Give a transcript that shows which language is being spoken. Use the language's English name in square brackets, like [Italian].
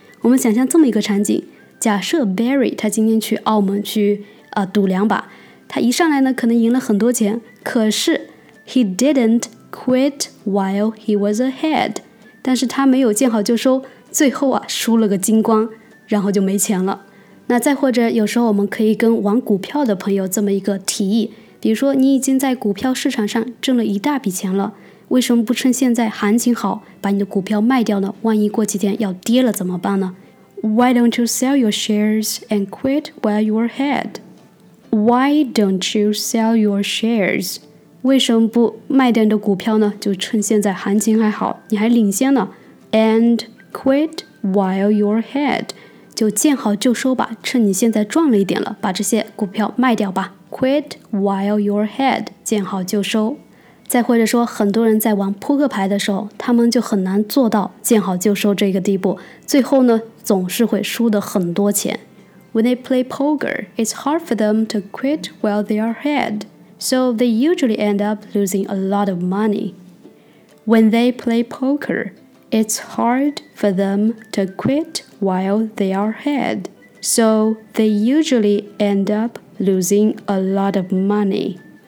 [Chinese] 我们想象这么一个场景，假设 Barry 他今天去澳门去赌两把，他一上来呢可能赢了很多钱，可是 [English] he didn't quit while he was ahead， [Chinese] 但是他没有见好就收，最后啊输了个精光，然后就没钱了。那再或者有时候我们可以跟玩股票的朋友这么一个提议，比如说你已经在股票市场上挣了一大笔钱了，为什么不趁现在行情好把你的股票卖掉呢？万一过几天要跌了怎么办呢？ [English] Why don't you sell your shares and quit while you're ahead? Why don't you sell your shares? [Chinese] 为什么不卖掉你的股票呢？就趁现在行情还好，你还领先呢。 [English] And quit while you're ahead， [Chinese] 就见好就收吧，趁你现在赚了一点了，把这些股票卖掉吧。 [English] Quit while you're ahead， [Chinese] 见好就收。再或者说很多人在玩扑克牌的时候，他们就很难做到见好就收这个地步，最后呢总是会输得很多钱。 [English] When they play poker, it's hard for them to quit while they are ahead, so they usually end up losing a lot of money. When they play poker, it's hard for them to quit while they are ahead, so they usually end up losing a lot of money.